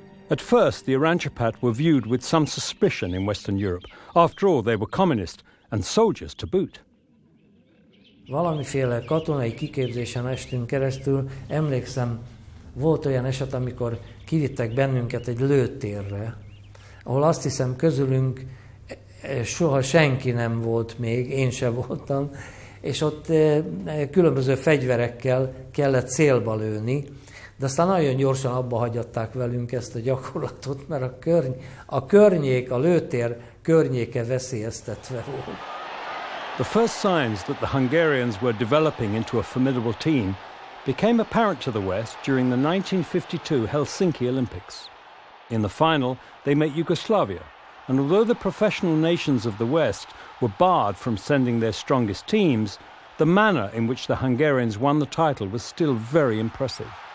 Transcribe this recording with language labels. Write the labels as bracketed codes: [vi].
[en] At first, the Aranycsapat were viewed with some suspicion in Western Europe. After all, they were communist and soldiers to boot. [hu] Valamiféle katonai kiképzésen estünk keresztül, emlékszem, volt olyan eset, amikor kivittek bennünket egy lőtérre, ahol azt hiszem közülünk soha senki nem volt még, én sem voltam, és ott különböző fegyverekkel kellett célba lőni, de aztán nagyon gyorsan abba hagyatták velünk ezt a gyakorlatot, mert a lőtér környéke veszélyeztetve volt. [en] The first signs that the Hungarians were developing into a formidable team became apparent to the West during the 1952 Helsinki Olympics. In the final, they met Yugoslavia, and although the professional nations of the West were barred from sending their strongest teams, the manner in which the Hungarians won the title was still very impressive.